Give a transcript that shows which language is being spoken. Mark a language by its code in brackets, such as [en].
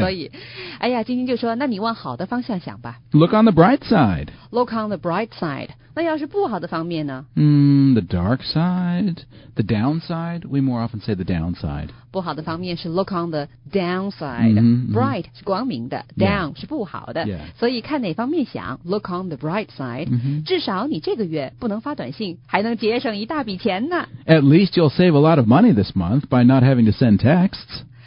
[zh] 所以哎呀晶晶就说那你往好的方向想吧 [en] Look on the bright side Look on the bright side [zh] 那要是不好的方面呢、 [en] The dark side The downside We more often say the downside [zh] 不好的方面是 [en] look on the downside mm-hmm. [zh] Bright 是光明的 Down、 [en] yeah. [zh] 是不好的、 [en] yeah. [zh] 所以看哪方面想 [en] Look on the bright side、 mm-hmm. [zh] 至少你这个月不能发短信还能节省一大笔钱呢 [en] At least you'll save a lot of money this month by not having to send texts